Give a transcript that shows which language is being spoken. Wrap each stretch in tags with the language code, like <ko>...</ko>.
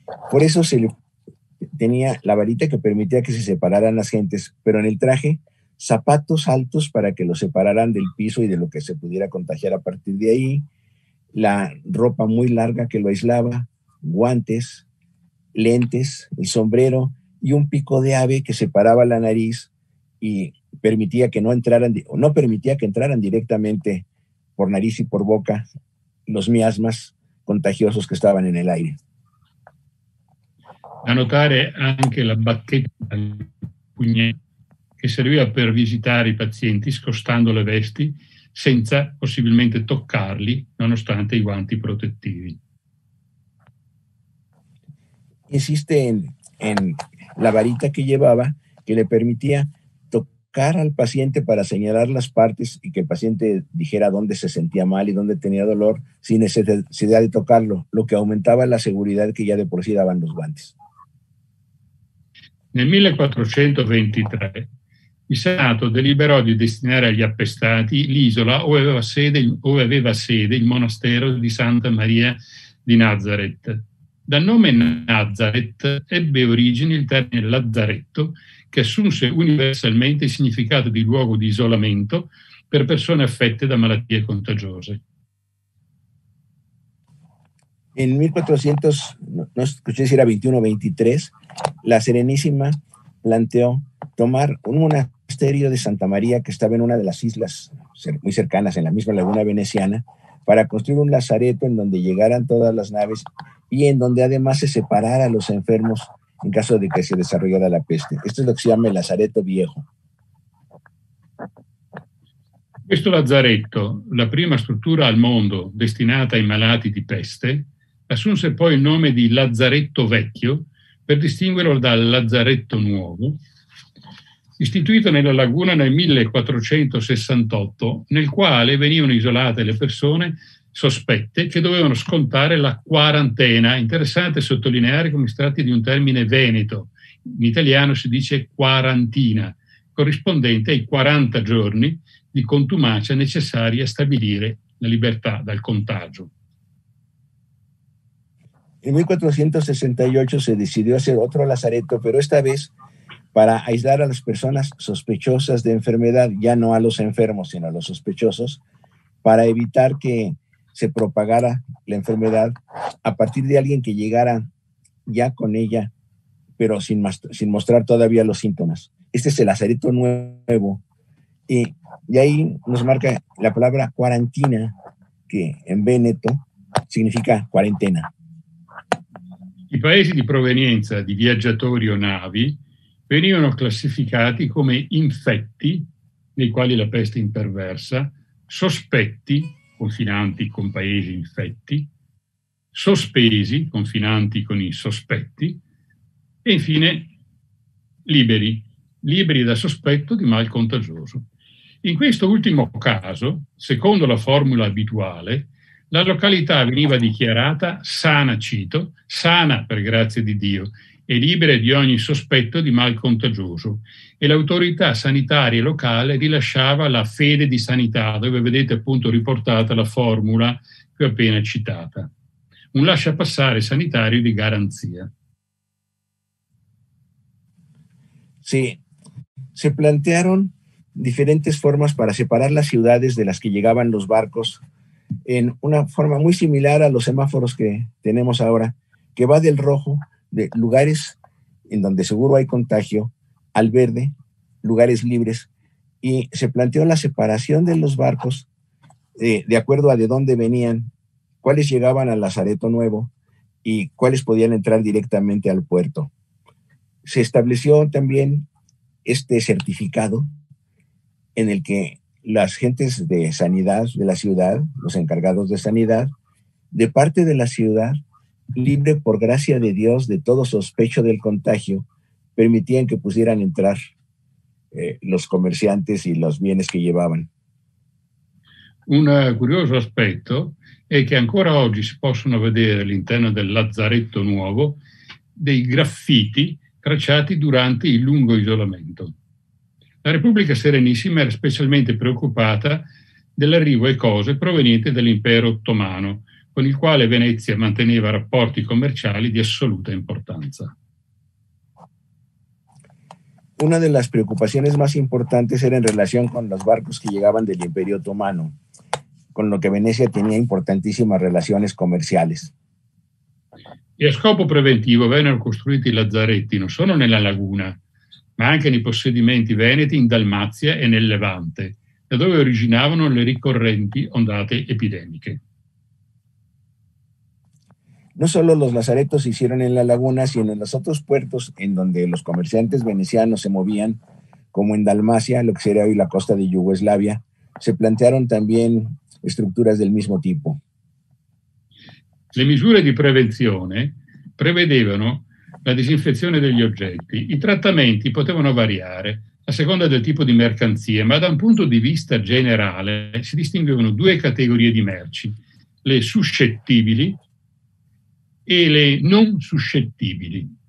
<es>Por eso se le tenía la varita que permitía que se separaran las gentes, pero en el traje, zapatos altos para que los separaran del piso y de lo que se pudiera contagiar a partir de ahí, la ropa muy larga que lo aislaba, guantes, lentes, el sombrero y un pico de ave que separaba la nariz y permitía que no permitía que entraran directamente por nariz y por boca los miasmas contagiosos que estaban en el aire.</es> <it>A notare anche la bacchetta che serviva per visitare i pazienti scostando le vesti senza possibilmente toccarli nonostante i guanti protettivi.</it> <es>Insiste en la varita que llevaba que le permitía al paciente para señalar las partes y que el paciente dijera dónde se sentía mal y dónde tenía dolor sin necesidad de tocarlo, lo que aumentaba la seguridad que ya de por sí daban los guantes.</es> <it>Nel 1423 il Senato deliberò di destinare agli appestati l'isola ove aveva sede il monastero di Santa Maria di Nazareth. Dal nome Nazareth ebbe origine il termine Lazzaretto, che assunse universalmente il significato di luogo di isolamento per persone affette da malattie contagiose.</it> <es>En 1400, no escuché si era 21 o 23, la Serenísima planteó tomar un monasterio de Santa María que estaba en una de las islas muy cercanas, en la misma laguna veneciana, para construir un lazareto en donde llegaran todas las naves y en donde además se separara a los enfermos en caso de que se desarrollara la peste. Esto es lo que se llama el lazareto viejo.</es> <it>Questo lazaretto, la prima struttura al mondo destinata ai malati di peste, assunse poi il nome di lazaretto vecchio per distinguerlo dal lazaretto nuovo, istituito nella laguna nel 1468, nel quale venivano isolate le persone sospette che dovevano scontare la quarantena. Interessante sottolineare come si tratti di un termine veneto. In italiano si dice quarantina, corrispondente ai 40 giorni di contumacia necessari a stabilire la libertà dal contagio.</it> <es>In 1468 si decidió hacer otro lazaretto, pero esta vez para aislar a las personas sospechosas de enfermedad, ya no a los enfermos, sino a los sospechosos, para evitar que se propagara la enfermedad a partir de alguien que llegara ya con ella, pero sin mostrar todavía los síntomas. Este es el lazareto nuevo. Y ahí nos marca la palabra cuarentena, que en véneto significa cuarentena.</es> <it>I paesi di provenienza di viaggiatori o navi venivano classificati come infetti nei quali la peste imperversa, sospetti, confinanti con paesi infetti, sospesi, confinanti con i sospetti, e infine liberi, liberi da sospetto di mal contagioso. In questo ultimo caso, secondo la formula abituale, la località veniva dichiarata sana, cito, sana per grazia di Dio e libera di ogni sospetto di mal contagioso. E l'autorità sanitaria locale rilasciava la fede di sanità, dove vedete appunto riportata la formula che ho appena citata. Un lasciapassare sanitario di garanzia.</it> <es>Sì, si plantearon diferentes formas para separar las ciudades de las que llegaban los barcos. En una forma muy similar a los semáforos que tenemos ahora, que va del rojo, de lugares en donde seguro hay contagio, al verde, lugares libres, y se planteó la separación de los barcos de acuerdo a de dónde venían, cuáles llegaban al lazareto nuevo y cuáles podían entrar directamente al puerto. Se estableció también este certificado en el que las gentes de sanidad de la ciudad, los encargados de sanidad, de parte de la ciudad, libre por gracia de Dios de todo sospecho del contagio, permitían que pudieran entrar los comerciantes y los bienes que llevaban. Un curioso aspecto es que</es> <it>ancora oggi si possono vedere all'interno del lazaretto nuovo dei graffiti tracciati durante il lungo isolamento. La Repubblica Serenissima era specialmente preoccupata dell'arrivo e cose provenienti dall'Impero Ottomano, con il quale Venezia manteneva rapporti commerciali di assoluta importanza. Una delle preoccupazioni più importanti era in relazione con i barcos che arrivavano dall'Impero Ottomano, con lo che Venezia aveva importantissime relazioni commerciali. E a scopo preventivo vennero costruiti i lazaretti non solo nella laguna, ma anche nei possedimenti veneti in Dalmazia e nel Levante, da dove originavano le ricorrenti ondate epidemiche. Non solo</it> <es>los lazaretos se hicieron en la laguna, sino en los otros puertos en donde los comerciantes venecianos se movían, como en Dalmacia, lo que sería hoy la costa de Yugoslavia, se plantearon también estructuras del mismo tipo.</es> <it>Le misure di prevenzione prevedevano la disinfezione degli oggetti. I trattamenti potevano variare a seconda del tipo di mercanzie, ma da un punto di vista generale si distinguevano due categorie di merci, le suscettibili e le non suscettibili.</it>